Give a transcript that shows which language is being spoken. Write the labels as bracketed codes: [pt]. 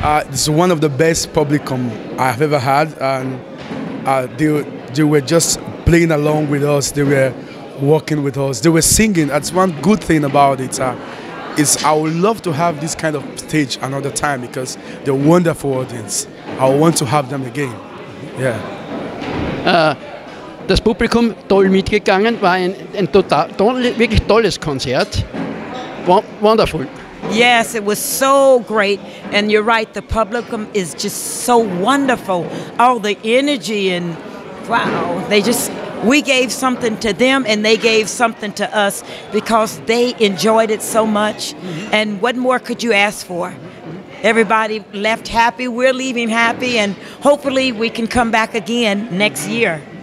[en] It's one of the best publicum I've ever had. And they were just playing along with us. They were walking with us. They were singing. That's one good thing about it. Is I would love to have this kind of stage another time because they're a wonderful audience. I want to have them again. Yeah. [de] Das Publikum toll mitgegangen, war ein total, wirklich tolles Konzert. [en] Wonderful. Yes, it was so great. And you're right, the publicum is just so wonderful. All the energy and wow, we gave something to them and they gave something to us because they enjoyed it so much. And what more could you ask for? Everybody left happy, we're leaving happy and hopefully we can come back again next year.